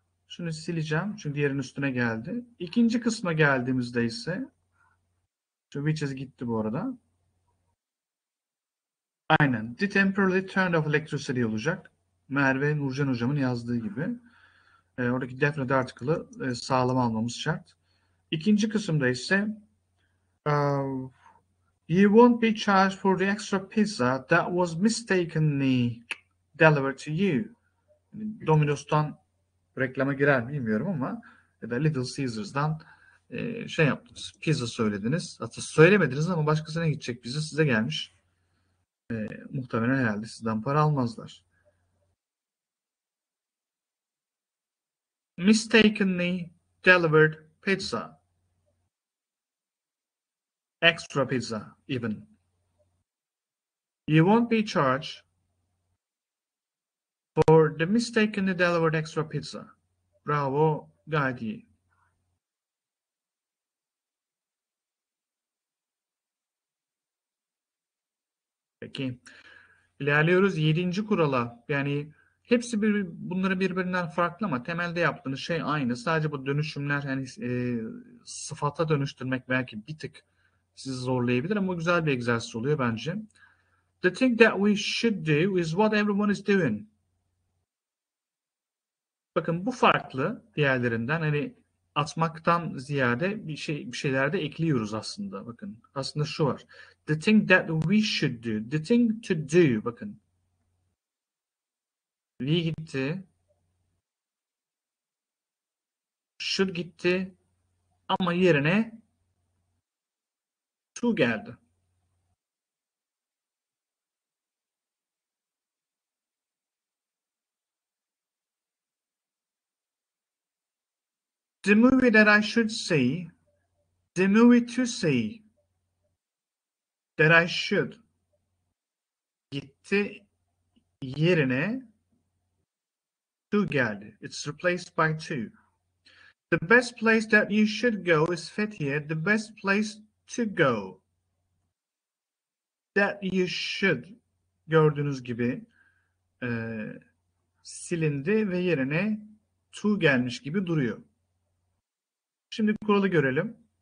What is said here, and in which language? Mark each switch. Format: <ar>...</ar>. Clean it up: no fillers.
<tr>Şunu sileceğim çünkü diğerin üstüne geldi. İkinci kısma geldiğimizde ise, şu which is gitti bu arada. Aynen, de-</tr> <en>temporarily turned off electricity</en> <tr>olacak. Merve Nurcan hocamın yazdığı gibi. Oradaki definite article'ı sağlam almamız şart. İkinci kısımda ise</tr> <en>you won't be charged for the extra pizza that was mistakenly delivered to you.</en> <tr>Domino's'tan reklama girer bilmiyorum ama ya da Little Caesars'dan şey yaptınız. Pizza söylediniz. Hatta söylemediniz ama başkasına gidecek pizza size gelmiş. Muhtemelen herhalde sizden para almazlar.</tr> <en>Mistakenly delivered pizza. Extra pizza even. You won't be charged for the mistakenly delivered extra pizza.</en> <tr>Bravo, gayet iyi. Peki. İlerliyoruz 7. kurala. Yani hepsi bunları birbirinden farklı ama temelde yaptığınız şey aynı. Sadece bu dönüşümler yani sıfata dönüştürmek belki bir tık sizi zorlayabilir ama bu güzel bir egzersiz oluyor bence.</tr> <en>The thing that we should do is what everyone is doing.</en> <tr>Bakın bu farklı diğerlerinden hani atmaktan ziyade bir şeyler de ekliyoruz aslında. Bakın aslında şu var.</tr> <en>The thing that we should do. The thing to do.</en> <tr>Bakın.</tr> <en>We</en> <tr>gitti.</tr> <en>Should</en> <tr>gitti. Ama yerine to geldi.</tr> <en>The movie that I should see, the movie to see, that I should</en> <tr>gitti yerine</tr> <en>to</en> <tr>geldi.</tr> <en>It's replaced by to. The best place that you should go is Fethiye. The best place to go that you should</en> <tr>gördüğünüz gibi silindi ve yerine to gelmiş gibi duruyor. Şimdi kuralı görelim.</tr>